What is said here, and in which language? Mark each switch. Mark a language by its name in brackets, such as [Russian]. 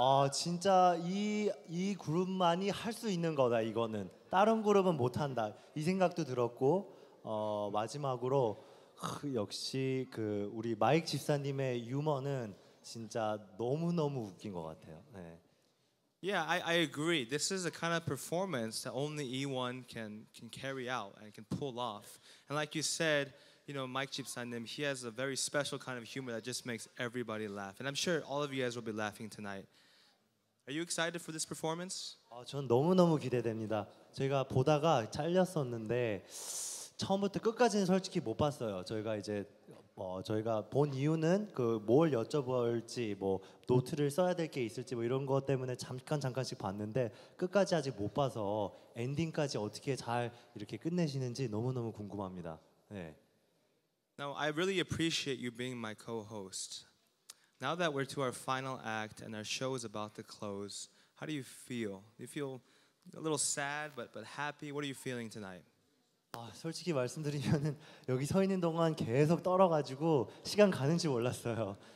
[Korean] 진짜 이 그룹만이 할 수 있는 거다 이거는. 다른 그룹은 못 한다. 이 생각도 들었고 마지막으로 역시 그 우리 마이크 집사님의 유머는 진짜 너무너무 웃긴 것 같아요. 네. [English] Yeah, I agree. This is a kind of performance that only E1 can carry out and can pull off. And like you said, you know, Mike Chipsanim, he has a very special kind of humor that just makes everybody laugh. And I'm sure all of you guys will be laughing tonight. Are you excited for this performance? [Korean] 전 너무너무 기대됩니다. 제가 보다가 잘렸었는데 처음부터 끝까지는 솔직히 못 봤어요. 저희가 이제 저희가 본 이유는 그 뭘 여쭤볼지 뭐 노트를 써야 될 게 있을지 뭐 이런 것 때문에 잠깐씩 봤는데 끝까지 아직 못 봐서 엔딩까지 어떻게 잘 이렇게 끝내시는지 너무너무 궁금합니다. 네. [English] Now, I really appreciate you being my co-host. Now that we're to our final act and our show is about to close, how do you feel? Do you feel a little sad but happy? What are you feeling tonight? [Korean] 아, 솔직히 말씀드리면은 여기 서 있는 동안 계속 떨어가지고 시간 가는지 몰랐어요.